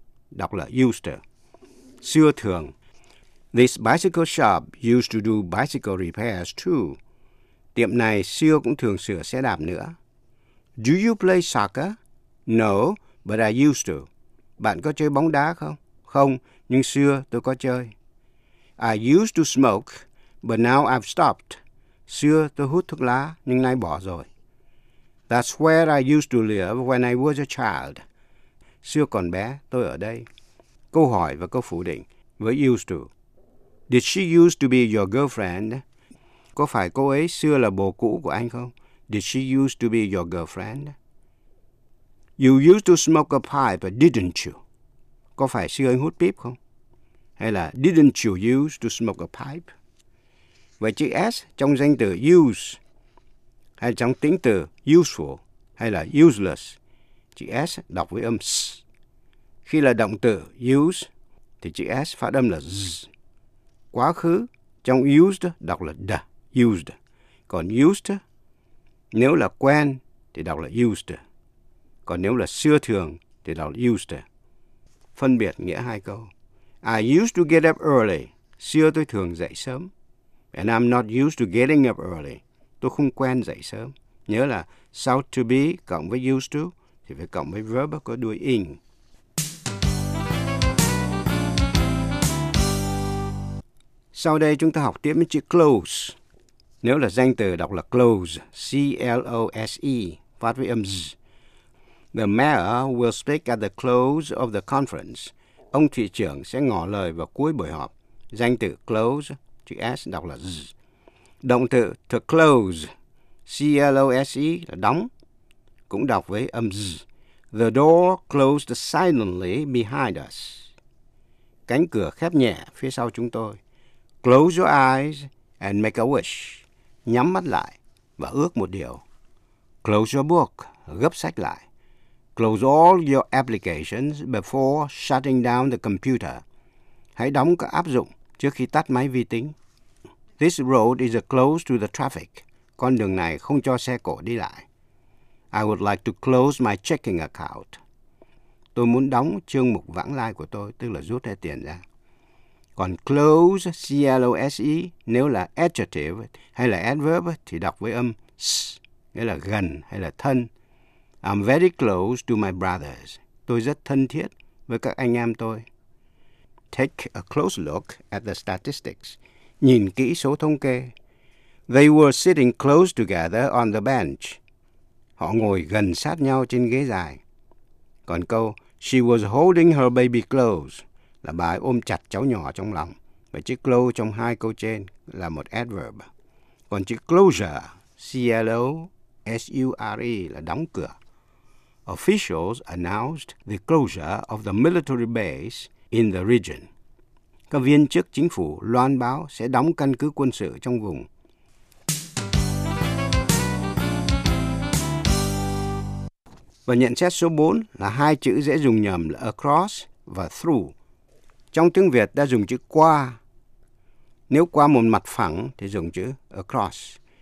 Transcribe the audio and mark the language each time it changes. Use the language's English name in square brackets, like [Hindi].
[Vietnamese] Đọc là used to. Xưa thường. [English] This bicycle shop used to do bicycle repairs too. [Vietnamese] Tiệm này xưa cũng thường sửa xe đạp nữa. [English] Do you play soccer? [Vietnamese] No, but I used to. Bạn có chơi bóng đá không? Không, nhưng xưa tôi có chơi. [English] I used to smoke, but now I've stopped. [Vietnamese] Xưa tôi hút thuốc lá, nhưng nay bỏ rồi. [English] That's where I used to live when I was a child. [Vietnamese] Xưa còn bé, tôi ở đây. Câu hỏi và câu phủ định với used to. [English] Did she used to be your girlfriend? [Vietnamese] Có phải cô ấy xưa là bồ cũ của anh không? [English] Did she used to be your girlfriend? You used to smoke a pipe, didn't you? [Vietnamese] Có phải xưa anh hút pip không? Hay là [English] didn't you used to smoke a pipe? [Vietnamese] Vậy chữ S trong danh từ use hay trong tính từ useful hay là useless? Chữ S đọc với âm S. Khi là động từ use thì chữ S phát âm là Z. Quá khứ trong used đọc là D, used. Còn used nếu là quen thì đọc là used. Còn nếu là xưa thường thì đọc là used. Phân biệt nghĩa hai câu. [English] I used to get up early. [Vietnamese] Xưa tôi thường dậy sớm. [English] And I'm not used to getting up early. [Vietnamese] Tôi không quen dậy sớm. Nhớ là sau to be cộng với used to thì phải cộng với verb có đuôi ing. Sau đây chúng ta học tiếp với chữ close. Nếu là danh từ đọc là close. C-L-O-S-E. Phát với âm Z. [English] The mayor will speak at the close of the conference. [Vietnamese] Ông thị trưởng sẽ ngỏ lời vào cuối buổi họp. Danh từ close, chữ S đọc là Z. Động từ to close, C-L-O-S-E là đóng, cũng đọc với âm Z. [English] The door closed silently behind us. [Vietnamese] Cánh cửa khép nhẹ phía sau chúng tôi. [English] Close your eyes and make a wish. [Vietnamese] Nhắm mắt lại và ước một điều. [English] Close your book, [Vietnamese] gấp sách lại. [English] Close all your applications before shutting down the computer. [Vietnamese] Hãy đóng các áp dụng trước khi tắt máy vi tính. [English] This road is closed to the traffic. [Vietnamese] Con đường này không cho xe cộ đi lại. [English] I would like to close my checking account. [Vietnamese] Tôi muốn đóng chương mục vãng lai của tôi, tức là rút hết tiền ra. Còn close, C-L-O-S-E, nếu là adjective hay là adverb thì đọc với âm S, nghĩa là gần hay là thân. [English] I'm very close to my brothers. [Vietnamese] Tôi rất thân thiết với các anh em tôi. [English] Take a close look at the statistics. [Vietnamese] Nhìn kỹ số thống kê. [English] They were sitting close together on the bench. [Vietnamese] Họ ngồi gần sát nhau trên ghế dài. Còn câu, [English] she was holding her baby close, [Vietnamese] là bà ấy ôm chặt cháu nhỏ trong lòng. Và chữ close trong hai câu trên là một adverb. Còn chữ closure, C-L-O-S-U-R-E, là đóng cửa. [English] Officials announced the closure of the military base in the region. [Vietnamese] Các viên chức chính phủ loan báo sẽ đóng căn cứ quân sự trong vùng. Và nhận xét số 4 là hai chữ dễ dùng nhầm là across và through. Trong tiếng Việt ta dùng chữ qua. Nếu qua một mặt phẳng thì dùng chữ across.